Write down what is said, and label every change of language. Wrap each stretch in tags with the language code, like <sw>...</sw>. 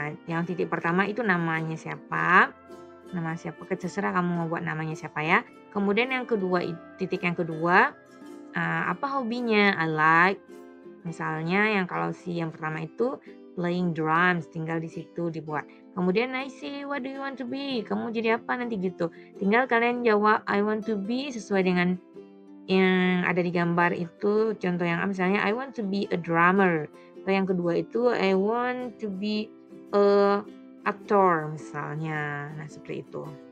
<id>Yang titik pertama itu namanya siapa? Nama siapa? Terserah kamu mau buat namanya siapa ya. Kemudian yang kedua, titik yang kedua, apa hobinya?</id> <en>I like,</en> <id>misalnya yang kalau si yang pertama itu</id> <en>playing drums,</en> <id>tinggal di situ dibuat. Kemudian</id> <en>I say, what do you want to be?</en> <id>Kamu jadi apa nanti gitu. Tinggal kalian jawab,</id> <en>I want to be</en> <id>sesuai dengan yang ada di gambar itu. Contoh yang misalnya,</id> <en>I want to be a drummer.</en> <id>Atau yang kedua itu,</id> <en>I want to be a actor</en> <id>misalnya. Nah, seperti itu.</id>